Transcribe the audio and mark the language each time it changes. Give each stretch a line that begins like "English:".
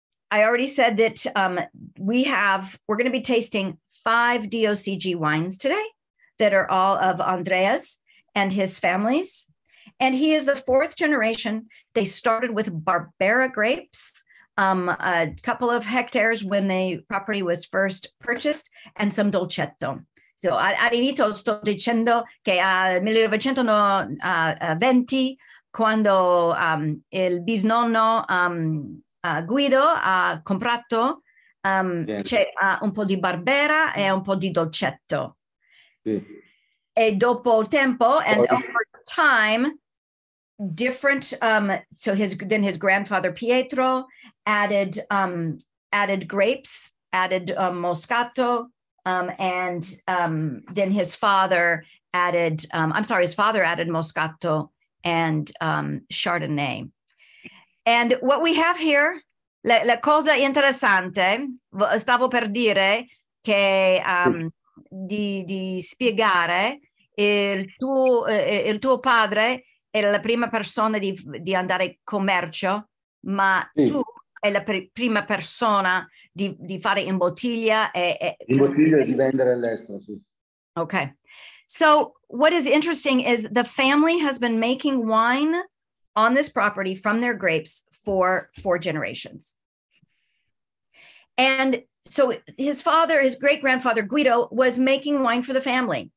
English: I already said that we're gonna be tasting 5 DOCG wines today that are all of Andrea's and his family's. And he is the fourth generation. They started with Barbera grapes, a couple of hectares when the property was first purchased, and some Dolcetto.
Italian: So all'inizio sto dicendo che a 1920, quando il bisnonno Guido ha comprato, c'è un po' di Barbera e un po' di Dolcetto. Sì. E dopo tempo,
English: and over time, different, his grandfather Pietro added grapes, added Moscato, then his father added, his father added Moscato and Chardonnay. And what we have here,
Italian: la cosa interessante, stavo per dire che di spiegare il tuo padre era la prima persona di andare in commercio, ma sì. Tu è la prima persona di fare in bottiglia e di vendere all'estero, sì.
English: Okay. So what is interesting is the family has been making wine on this property from their grapes for 4 generations. And so his father, his great-grandfather Guido, was making wine for the family.